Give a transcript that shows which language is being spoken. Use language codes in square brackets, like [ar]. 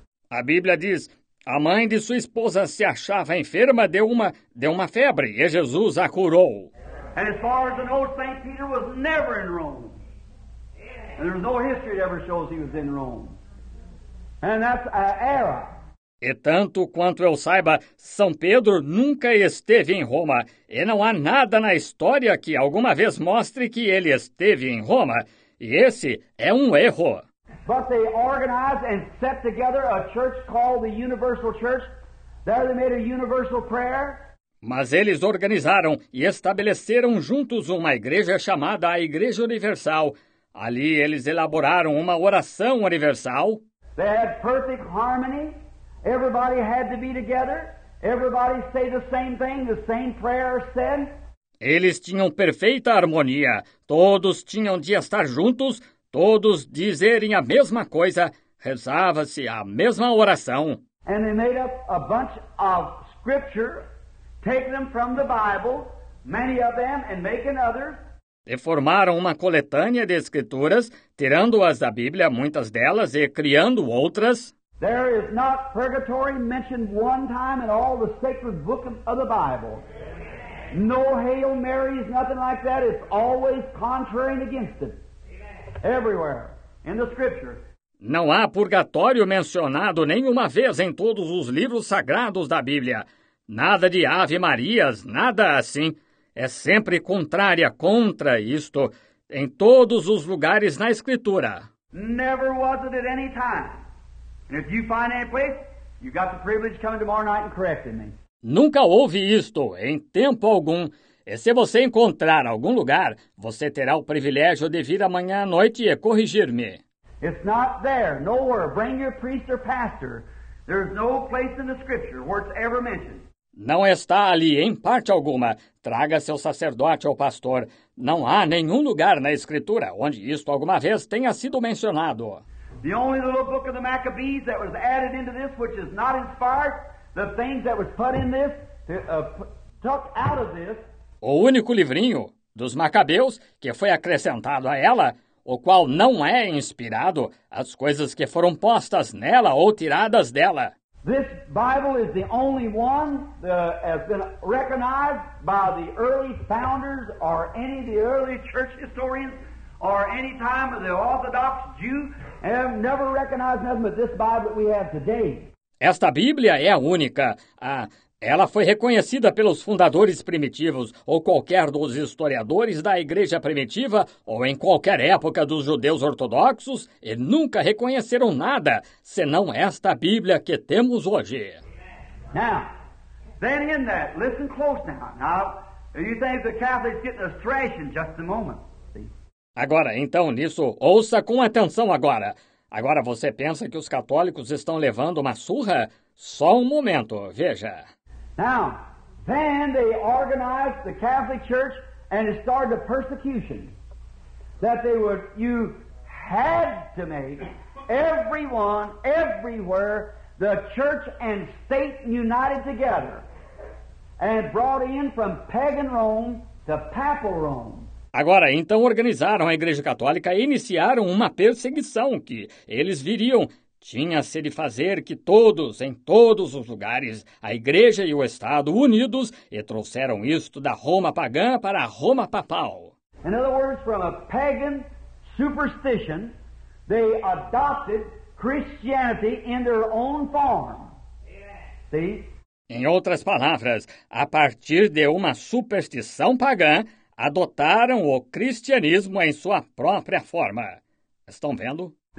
[pt] A Bíblia diz, a mãe de sua esposa se achava enferma, deu uma febre e Jesus a curou. [en] And as far as I know, St. Peter was never in Rome. And there's no history that ever shows he was in Rome. And that's an error. [pt] E tanto quanto eu saiba, São Pedro nunca esteve em Roma. E não há nada na história que alguma vez mostre que ele esteve em Roma. E esse é um erro. [en] But they organized and set together a church called the Universal Church. There they made a universal prayer. [pt] Mas eles organizaram e estabeleceram juntos uma igreja chamada a Igreja Universal. Ali eles elaboraram uma oração universal. [en] They had perfect harmony. Everybody had to be together. Everybody say the same thing, the same prayer said. [pt] Eles tinham perfeita harmonia. Todos tinham de estar juntos, todos dizerem a mesma coisa, rezava-se a mesma oração. [en] And they made up a bunch of scripture, taking them from the Bible, many of them, and making others. [pt] E formaram uma coletânea de escrituras, tirando-as da Bíblia, muitas delas, e criando outras. [en] There is not purgatory mentioned one time in all the sacred book of the Bible. No Hail Marys, nothing like that. It's always contrary and against it. Everywhere in the Scripture. [pt] Não há purgatório mencionado nenhuma vez em todos os livros sagrados da Bíblia. Nada de Ave Marias, nada assim. É sempre contrária contra isto em todos os lugares na Escritura. [en] Never was it at any time. And if you find any place, you've got the privilege of coming tomorrow night and correcting me. [pt] Nunca houve isto em tempo algum. E se você encontrar algum lugar, você terá o privilégio de vir amanhã à noite e corrigir-me. [en] It's not there, nowhere. Bring your priest or pastor. There's no place in the scripture where it's ever mentioned. [pt] Não está ali em parte alguma. Traga seu sacerdote ou pastor. Não há nenhum lugar na escritura onde isto alguma vez tenha sido mencionado. [en] The only little book of the Maccabees that was added into this, which is not inspired, the things that was put in this, tucked out of this. [pt] O único livrinho dos Macabeus que foi acrescentado a ela, o qual não é inspirado, as coisas que foram postas nela ou tiradas dela. [en] This Bible is the only one that has been recognized by the early founders or any of the early church historians or any time of the Orthodox Jew. And never recognized nothing but this Bible that we have today. [pt] Esta Bíblia é a única. Ela foi reconhecida pelos fundadores primitivos ou qualquer dos historiadores da Igreja Primitiva ou em qualquer época dos judeus ortodoxos e nunca reconheceram nada senão esta Bíblia que temos hoje. [en] Now, then in that, listen close now. Now, you think the Catholics getting a thrashing in just a moment. [pt] Agora, então, nisso, ouça com atenção agora. Agora, você pensa que os católicos estão levando uma surra? Só um momento, veja. [en] Now, then they organized the Catholic Church and it started a persecution. that they would, you had to make everyone, everywhere, the church and state united together and brought in from pagan Rome to papal Rome. [pt] Agora, então, organizaram a Igreja Católica e iniciaram uma perseguição que, eles viriam, tinha-se de fazer que todos, em todos os lugares, a Igreja e o Estado unidos, e trouxeram isto da Roma pagã para a Roma papal. [en] In other words, from a pagan superstition, they adopted Christianity in their own form. See? [pt] Em outras palavras, a partir de uma superstição pagã, adotaram o cristianismo em sua própria forma. Estão vendo?